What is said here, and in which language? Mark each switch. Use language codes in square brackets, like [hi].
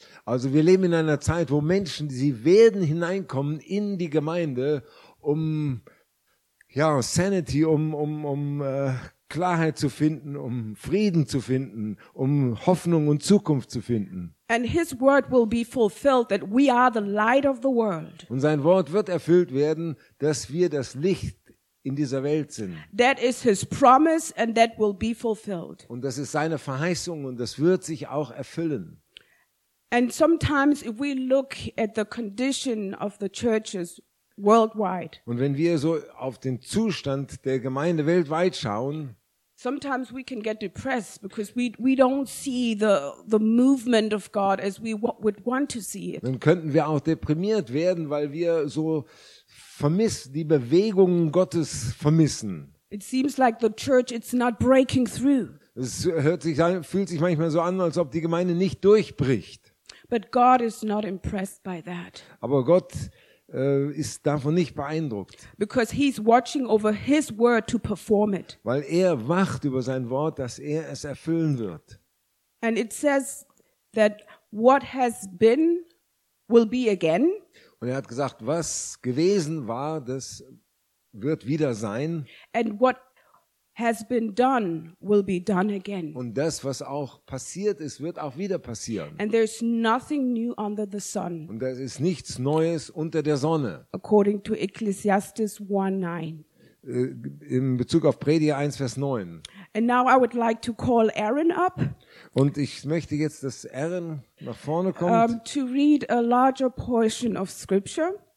[de] Also wir leben in einer Zeit, wo Menschen, sie werden hineinkommen in die Gemeinde, um ja, Sanity, um Klarheit zu finden, um Frieden zu finden, um Hoffnung und Zukunft zu finden. [en] And His word will be fulfilled that we are the light of the world. [de] Und sein Wort wird erfüllt werden, dass wir das Licht in dieser Welt sind. [en] That is His promise and that will be fulfilled. [de] Und das ist seine Verheißung und das wird sich auch erfüllen. [en] And sometimes if we look at the condition of the churches worldwide. [de] Und wenn wir so auf den Zustand der Gemeinde weltweit schauen, [en] sometimes we can get depressed because we don't see the movement of God as we would want to see it. [de] Dann könnten wir auch deprimiert werden, weil wir so die Bewegungen Gottes vermissen. [en] It seems like the church it's not breaking through. [de] Es fühlt sich manchmal so an, als ob die Gemeinde nicht durchbricht. [en] But God is not impressed by that. [de] Aber Gott ist davon nicht beeindruckt. [en] Because he's watching over his word to perform it. [de] Weil er wacht über sein Wort, dass er es erfüllen wird. [en] And it says that what has been will be again. [de] Und er hat gesagt, was gewesen war, das wird wieder sein. [en] And what has been done will be done again. [de] Und das, was auch passiert ist, wird auch wieder passieren. [en] And there's nothing new under the sun. [de] Und da ist nichts Neues unter der Sonne. [en] According to Ecclesiastes 1:9. [de] In Bezug auf Prediger 1, Vers 9. [en] And now I would like to call Aaron up. [de] Und ich möchte jetzt, dass Aaron nach vorne kommt. [en] To read a larger portion of scripture.